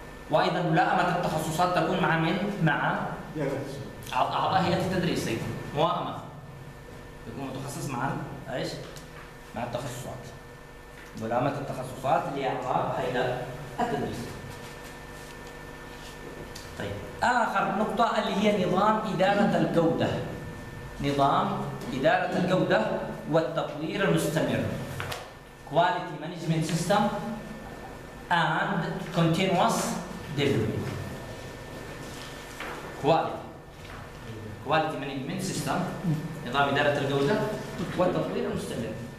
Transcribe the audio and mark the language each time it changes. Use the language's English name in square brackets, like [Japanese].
[Arabic] وايضا ملائمه التخصصات تكون مع من؟ مع اعضاء هيئه التدريس، موائمه يكون متخصص مع ايش؟ مع التخصصات. ملائمه التخصصات لاعضاء هيئه التدريس. طيب آخر نقطة اللي هي نظام إدارة الجودة. نظام إدارة الجودة والتطوير المستمر. [English] Quality Management System and Continuous Development. Quality Management System، [Arabic] نظام إدارة الجودة والتطوير المستمر.